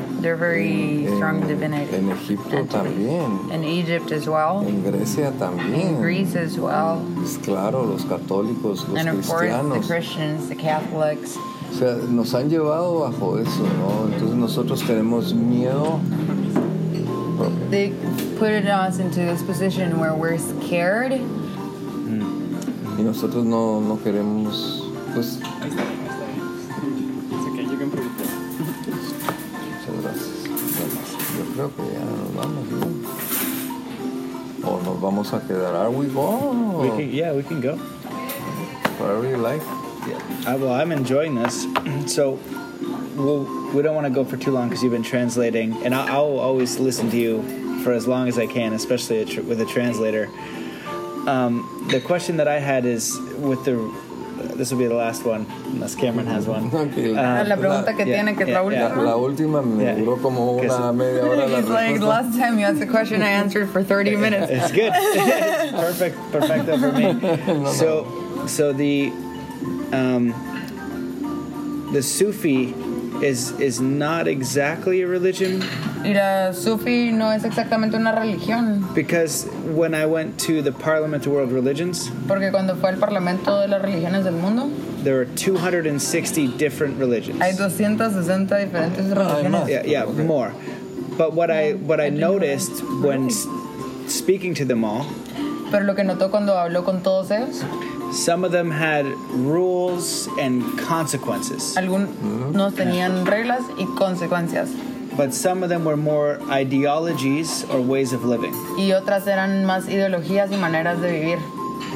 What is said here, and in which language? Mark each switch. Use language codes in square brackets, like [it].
[en] They're very strong divinities. [es] En Egipto entities. También. [en] In Egypt as well. [es] En Grecia también. [en] In Greece as well. [es] Pues claro, los católicos, los [en] and [es] cristianos. [en] Of course, the Christians, the Catholics. [es] O sea, nos han llevado bajo eso, ¿no? Entonces nosotros tenemos miedo. [en] They put us into this position where we're scared. [es] Y nosotros no queremos, pues... Ahí está, ahí está. Es okay, [en] you can prove [es] it. Muchas gracias. Bueno, yo creo que ya nos vamos, ¿no? O nos vamos a quedar. [en] Are we going? Yeah, we can go. Whatever you like. Yeah. Well, I'm enjoying this. So, we don't want to go for too long because you've been translating. And I'll always listen to you for as long as I can, especially with a translator. The question that I had is with the... This will be the last one, unless Cameron has one. [es] La pregunta que tiene, que es la última. La última me duró como una media hora. [en] He's like, last time you asked the question, I answered for 30 minutes. It's good. Perfect. Perfecto for me. So the... the Sufi is not exactly a religion. [es] Mira, Sufi no es exactamente una religión. [en] Because when I went to the Parliament of World Religions, [es] porque cuando fue el Parlamento de las Religiones del Mundo, [en] there are 260 different religions. [es] Hay 260 diferentes religiones. [en] Yeah, okay. More. But what I noticed when speaking to them all, [es] pero lo que notó cuando habló con todos ellos, [en] some of them had rules and consequences. [es] Algunos tenían reglas y consecuencias. [en] But some of them were more ideologies or ways of living. [es] Y otras eran más ideologías y maneras de vivir.